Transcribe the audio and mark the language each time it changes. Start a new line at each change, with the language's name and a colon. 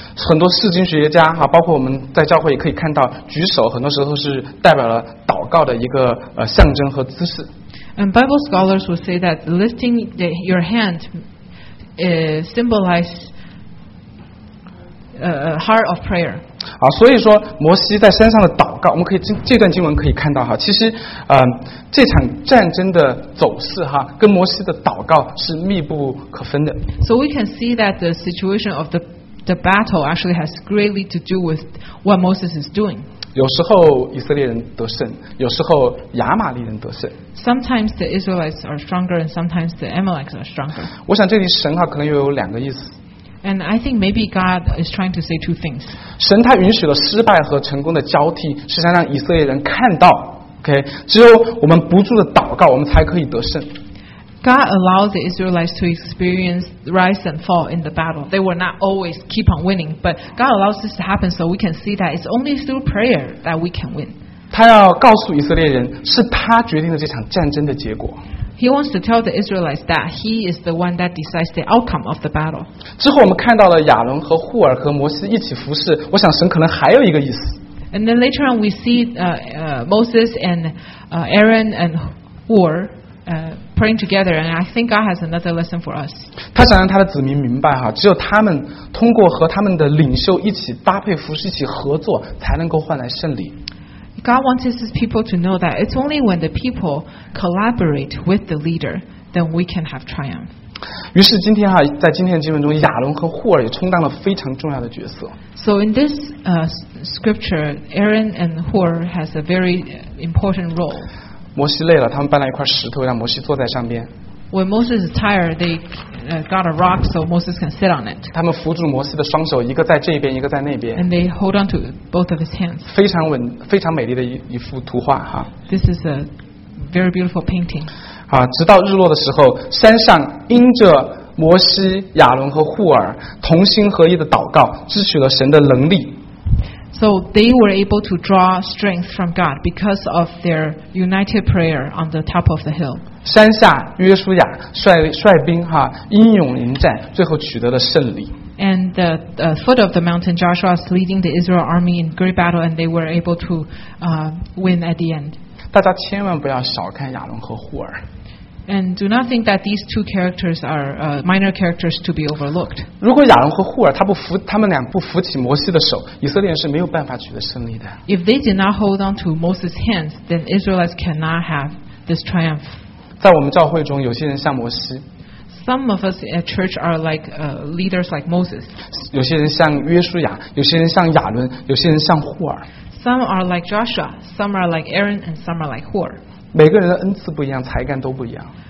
Chinese: 很多释经学家，包括我们在教会也可以看到，举手很多时候是代表了祷告的一个象征和姿势。
English: And Bible scholars would say that lifting your hand symbolizes a heart of prayer.
Chinese: 所以说摩西在山上的祷告，我们可以这段经文可以看到，其实这场战争的走势跟摩西的祷告是密不可分的。
English: So we can see that the situation of the battle actually has greatly to do with what Moses is doing.
Chinese: 有时候以色列人得胜，有时候亚玛力人得胜。
English: Sometimes the Israelites are stronger and sometimes the Amalekites are stronger.
Chinese: 我想这里神可能又有两个意思。
English: And I think maybe God is trying to say two things.
Chinese: 神他允许了失败和成功的交替，是想让以色列人看到 ，OK？只有我们不住的祷告，我们才可以得胜。
English: God allows the Israelites to experience rise and fall in the battle. They will not always keep on winning, but God allows this to happen so we can see that it's only through prayer that we can win.
Chinese: 他要告诉以色列人，是他决定了这场战争的结果。
English: He wants to tell the Israelites that he is the one that decides the outcome of the battle.
Chinese: 之后我们看到了亚伦和户尔和摩西一起服侍，我想神可能还有一个意思。
English: And then later on, we see Moses and Aaron and Hur praying together, and I think God has another lesson for us.
Chinese: 他想让他的子民明白，只有他们通过和他们的领袖一起搭配服侍，一起合作，才能够换来胜利。
English: God wants his people to know that it's only when the people collaborate with the leader then we can have triumph.
Chinese: 于是今天在今天的经文中，亚伦和户尔也充当了非常重要的角色。
English: So in this scripture, Aaron and Hur has a very important role.
Chinese: 摩西累了，他们搬了一块石头让摩西坐在上边。
English: When Moses is tired, they got a rock so Moses can sit on it.
Chinese: 他们扶住摩西的双手，一个在这边，一个在那边。
English: And they hold on to both of his hands.
Chinese: 非常稳，非常美丽的一幅图画。
English: This is a very beautiful painting.
Chinese: 直到日落的时候，山上因着摩西、亚伦和户尔同心合意的祷告，支取了神的能力。
English: So they were able to draw strength from God because of their united prayer on the top of the hill.
Chinese: 山下约书亚率兵英勇迎战，最后取得了胜利。
English: And the foot of the mountain, Joshua is leading the Israel army in great battle, and they were able to win at the end.
Chinese: 大家千万不要小看亚伦和户尔。
English: And do not think that these two characters are minor characters to be overlooked.
Chinese: 如果亚伦和户尔他们俩不扶起摩西的手，以色列人是没有办法取得胜利的。
English: If they did not hold on to Moses' hands, then Israelites cannot have this triumph.
Chinese: 在我们教会中，有些人像摩西。
English: Some of us at church are like leaders like Moses.
Chinese: 有些人像约书亚，有些人像亚伦，有些人像户尔。
English: Some are like Joshua, some are like Aaron, and some are like Hur.
Chinese: 每个人的恩赐不一样，才干都不一样。